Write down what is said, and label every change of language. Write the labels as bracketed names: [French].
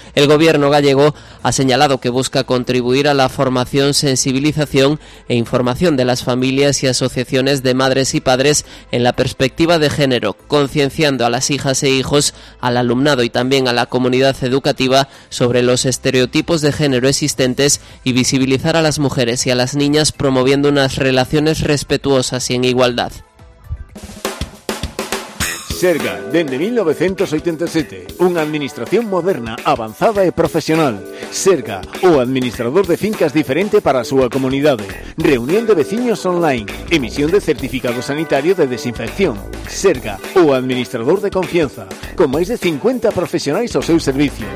[Spanish] El gobierno gallego ha señalado que busca contribuir a la formación, sensibilización e información de las familias y asociaciones de madres y padres en la perspectiva de género, concienciando a las hijas e hijos, al alumnado y también a la comunidad educativa sobre los estereotipos de género existentes y visibilizar a las mujeres y a las niñas promoviendo unas relaciones respetuosas y en igualdad. [Galician] Serga, dende 1987, unha administración moderna, avanzada e profesional. Serga, o administrador de fincas diferente para a súa comunidade. Reunión de veciños online, emisión de certificado sanitario de desinfección. Serga, o administrador de confianza, con máis de 50 profesionais ao seu servicio.